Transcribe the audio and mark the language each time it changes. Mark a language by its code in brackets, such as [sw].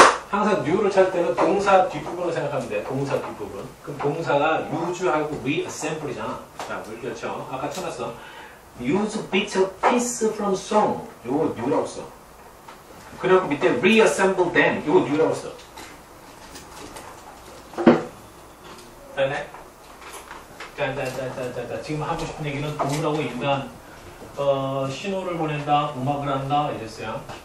[ko] 항상 new를 찾을 때는 동사 뒷부분을 생각하면 돼. 동사 뒷부분. 그럼 동사가 use하고 reassemble이잖아. 자, 물결 쳐. 아까 쳐놨어. [en] Use bits of piece from song. [ko] 요거 new라고 써. 그리고 밑에 [en] reassemble them. [ko] 요거 new라고 써. 됐네? 짠짠짠짠짠짠. 지금 하고 싶은 얘기는 동물하고 인간 신호를 보낸다, 음악을 한다 이랬어요.